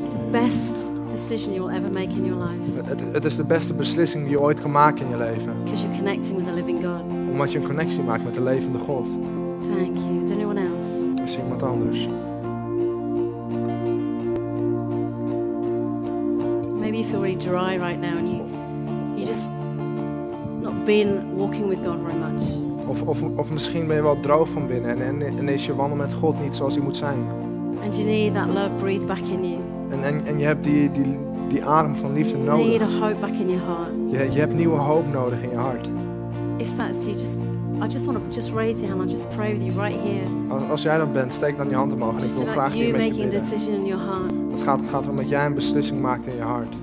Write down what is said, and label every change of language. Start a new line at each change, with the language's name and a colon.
English: Best decision you'll ever make in your life.
Dutch: Het is de beste beslissing die je ooit kan maken in je leven.
English: Because you're connecting with the living God.
Dutch: Omdat je een connectie maakt met de levende God.
English: Thank you. Is anyone else?
Dutch: Is iemand anders?
English: Maybe you feel really dry right now and you just not been walking with God very much.
Dutch: Of misschien ben je wel droog van binnen en is je wandel met God niet zoals hij moet zijn.
English: And you need that love breathe back in you.
Dutch: En je hebt die adem van liefde nodig.
English: Need a hope back in your heart.
Dutch: Je hebt nieuwe hoop nodig in je hart.
English: If that's you, I just want to just raise your hand. I'll just pray with you right here.
Dutch: Als jij dat bent, steek dan je hand omhoog.
English: Just
Dutch: ik wil graag
English: you
Dutch: hier
English: making
Dutch: met je
English: a decision in your heart.
Dutch: Het gaat erom dat jij een beslissing maakt in je hart.